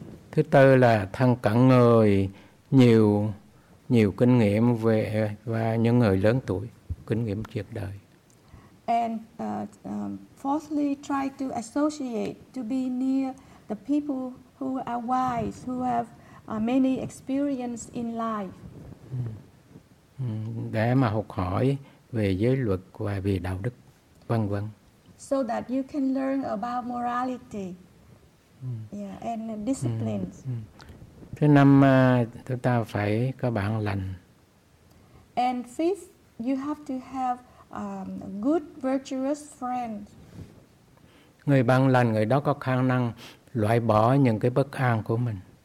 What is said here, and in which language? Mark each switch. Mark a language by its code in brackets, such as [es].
[vi] Thứ tư là thân cận người nhiều kinh nghiệm về và những người lớn tuổi kinh nghiệm triệt đời. [en] And fourthly, try to associate to be near the people who are wise, who have many experience in life. [vi] Để mà học hỏi về giới luật và về đạo đức, vân vân. [en] So that you can learn about morality and disciplines. [vi] Thứ năm, chúng ta phải có bản lành. [en] And fifth, you have to have good, virtuous friends. [vi] Người bản lành, người đó có khả năng loại bỏ những cái bất an của mình.